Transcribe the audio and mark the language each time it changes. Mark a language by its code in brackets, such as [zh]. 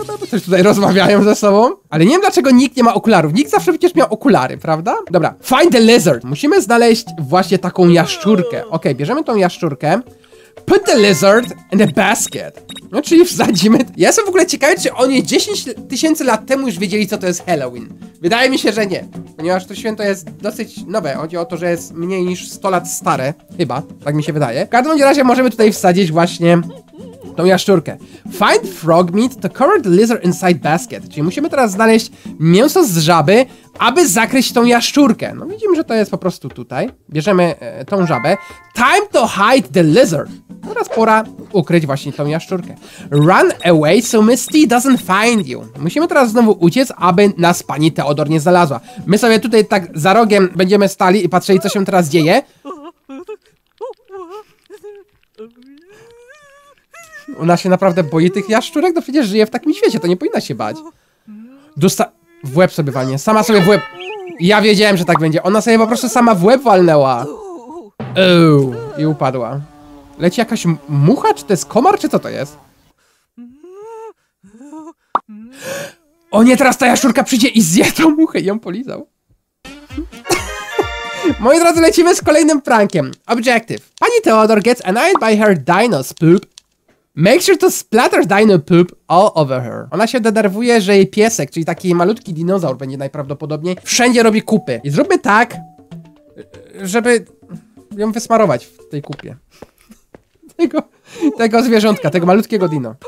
[pl] Coś tutaj rozmawiają ze sobą. Ale nie wiem, dlaczego nikt nie ma okularów. Nikt zawsze przecież miał okulary, prawda? Dobra, [en] find the lizard. [pl] Musimy znaleźć właśnie taką jaszczurkę. Okej, bierzemy tą jaszczurkę. [en] Put the lizard in the basket. [pl] No, czyli wsadzimy. Ja jestem w ogóle ciekawy, czy oni 10 tysięcy lat temu już wiedzieli, co to jest Halloween. Wydaje mi się, że nie. Ponieważ to święto jest dosyć nowe. Chodzi o to, że jest mniej niż 100 lat stare. Chyba, tak mi się wydaje. W każdym razie możemy tutaj wsadzić właśnie tą jaszczurkę. [en] Find frog meat to current lizard inside basket. [pl] Czyli musimy teraz znaleźć mięso z żaby, aby zakryć tą jaszczurkę. No widzimy, że to jest po prostu tutaj. Bierzemy tą żabę. [en] Time to hide the lizard. [pl] Teraz pora ukryć właśnie tą jaszczurkę. [en] Run away so Misty doesn't find you. [pl] Musimy teraz znowu uciec, aby nas pani Theodore nie znalazła. My sobie tutaj tak za rogiem będziemy stali i patrzyli, co się teraz dzieje. Ona się naprawdę boi tych jaszczurek? No przecież żyje w takim świecie, to nie powinna się bać. W łeb sobie walnie, sama sobie w łeb. Ja wiedziałem, że tak będzie. Ona sobie po prostu sama w łeb walnęła. I upadła. Leci jakaś mucha, czy to jest komar, czy co to jest? O nie, teraz ta jaszczurka przyjdzie i zje tą muchę i ją polizał. Moi drodzy, lecimy z kolejnym prankiem. [en] Objective. Pani Theodore gets annoyed by her dino's poop. Make sure to splatter dino poop all over her. [pl] Ona się denerwuje, że jej piesek, czyli taki malutki dinozaur będzie najprawdopodobniej, wszędzie robi kupy. I zróbmy tak, żeby ją wysmarować w tej kupie. Tego zwierzątka, tego malutkiego dino.